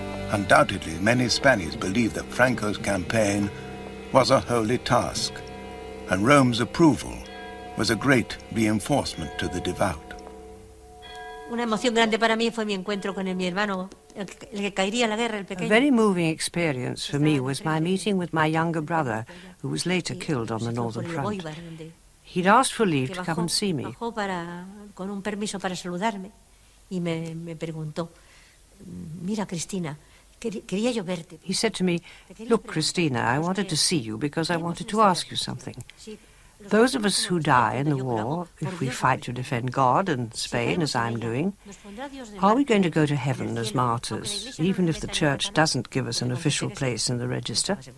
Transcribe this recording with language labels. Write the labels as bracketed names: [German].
[English] Undoubtedly, many Spaniards believed that Franco's campaign was a holy task, and Rome's approval was a great reinforcement to the devout. [Spanish] Una emoción grande para mí fue mi encuentro con mi hermano, el que caería la guerra, el pequeño. [English] A very moving experience for me was my meeting with my younger brother, who was later killed on the northern front. He'd asked for leave to come and see me. [Spanish] Bajó para, con un permiso para saludarme y me preguntó, mira, Cristina. [English] He said to me, look, Cristina, I wanted to see you because I wanted to ask you something. Those of us who die in the war, if we fight to defend God and Spain, as I'm doing, are we going to go to heaven as martyrs, even if the church doesn't give us an official place in the register?